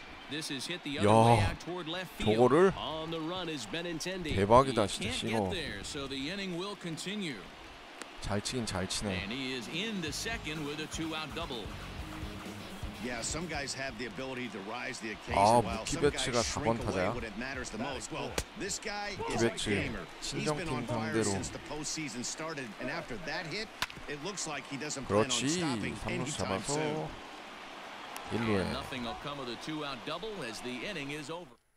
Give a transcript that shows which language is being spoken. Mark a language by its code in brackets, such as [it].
[en] This is hit the other way out toward left field. [ko] 저거를? [en] On the run is Benintendi. [ko] 대박이다 진짜 신호. [en] So the inning will continue. [ko] 잘 치긴 잘 치네. [en] And he is in the second with a two out double. Yeah, some guys have the ability to rise the occasion. [ko] 아, 무키베츠가 4번 타자야? [en] Well, this guy is a gamer. He's been on fire since the postseason started and after that hit, it looks like he doesn't plan on stopping anytime soon. Nothing will come of the two-out double as the inning is over.